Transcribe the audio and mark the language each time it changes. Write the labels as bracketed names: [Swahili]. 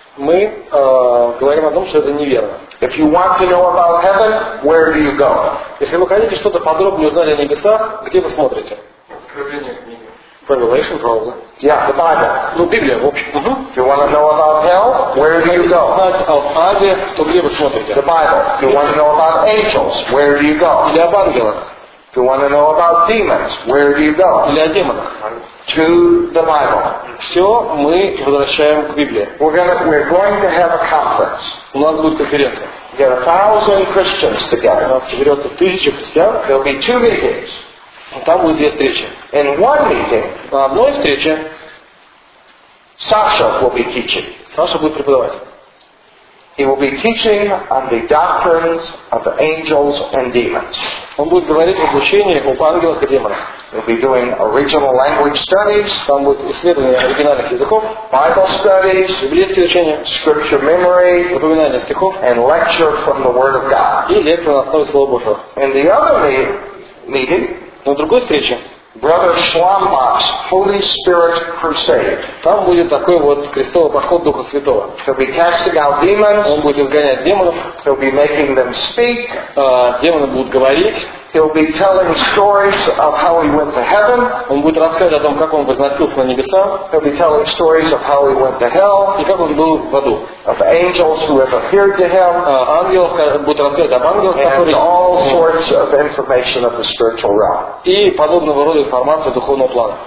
[Russian] Мы говорим о том, что это неверно. [English] If you want to know about heaven, where do you go? [Russian] Если вы хотите что-то подробнее узнать о небесах, где вы смотрите? [English] Revelation, probably. Yeah, the Bible. [Russian] Ну, Библия, в общем. Mm-hmm. [English] If you want to know about hell, where do you go? [Russian] Аде, то где вы смотрите? [English] The Bible. If you want to know about angels, where do you go? [Russian] Или об ангелах. [English] If you want to know about demons, where do you go? [Russian] Или о демонах. [English] To the Bible. [Russian] Все мы возвращаем к Библии. [English] We're going to have a conference. [Russian] У нас будет конференция. [English] Get 1,000 Christians together. [Russian] У нас соберется 1,000 христиан. [English] There'll be 2 meetings. [Russian] Там будет 2 встречи. [English] In one meeting, [Russian] на одной встрече [English] Sasha will be teaching. [Russian] Саша будет преподавать. [English] He will be teaching on the doctrines of the angels and demons. [Russian] Он будет говорить об учении об ангелах и демонах. [English] He'll be doing original language studies. [Russian] Там будет исследование оригинальных языков. [English] Bible studies. [Russian] Библейские учения. [English] Scripture memory. [Russian] Запоминание стихов. [English] And lecture from the Word of God. [Russian] И лекция на основе Слова Божьего. [English] In the other meeting, [Russian] на другой встрече, [English] Brother Schlambach's Holy Spirit Crusade. [Russian] Там будет такой вот крестовый поход Духа Святого. [English] He'll be casting out demons. [Russian] Он будет изгонять демонов. [English] He'll be making them speak. [Russian] Демоны будут говорить. [English] He'll be telling stories of how he went to heaven. [Russian] Он будет рассказывать о том, как он возносился на небеса. [English] He'll be telling stories of how he went to hell. [Russian] И как он был в аду. [English] Of angels who have appeared to him. [Russian] Ангелов, будет рассказывать об ангелах, которые. [English] And all sorts of information of the spiritual realm. [Russian] И подобного рода информация духовного плана.